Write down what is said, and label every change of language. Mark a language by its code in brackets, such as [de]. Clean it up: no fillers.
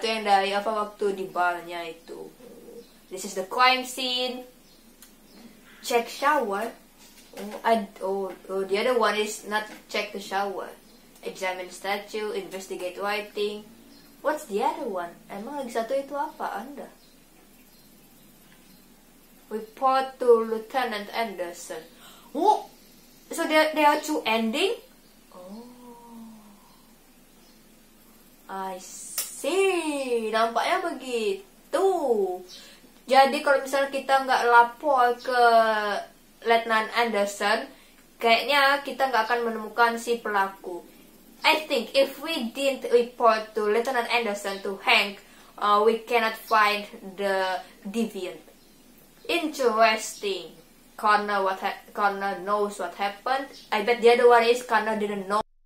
[id] Itu yang dari apa waktu di barnya itu. [en] This is the crime scene. Check shower. The other one is not check the shower. Examine statue, investigate writing. What's the other one? [id] Emang lagi satu itu apa, Anda? [en] Report to Lieutenant Anderson. Oh, so there are two ending? Oh, I [id] sih, nampaknya begitu. Jadi kalau misalnya kita nggak lapor ke Letnan Anderson, kayaknya kita nggak akan menemukan si pelaku. [en] I think if we didn't report to Letnan Anderson to Hank, we cannot find the deviant. Interesting. Connor knows what happened. I bet the other one is Connor didn't know.